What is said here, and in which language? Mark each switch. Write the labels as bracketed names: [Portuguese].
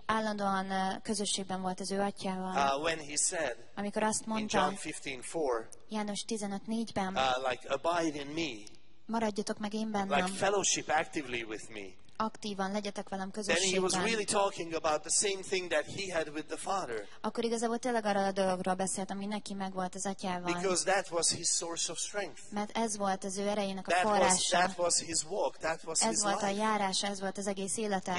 [Hungarian] állandóan közösségben volt az ő atyával. [English] When he said, [Hungarian] amikor azt mondta, [English] in John 15:4, [Hungarian] János 15:4-ben, [English] like abide in me, [Hungarian] maradjatok meg én bennem, [English] like fellowship actively with me, [Hungarian] aktívan legyetek velem közösségben. [English] Then he was really talking about the same thing that he had with the father. [Hungarian] Akkor igazából tényleg arra a dologról beszélt, ami neki megvolt az atyával. [English] Because that was his source of strength. [Hungarian] Mert ez volt az ő erejének a [English] that [Hungarian] forrása. [English] Was, that was his walk, that was [Hungarian] ez [English] his [Hungarian] volt [English] life. [Hungarian] A járás, ez volt az egész élete.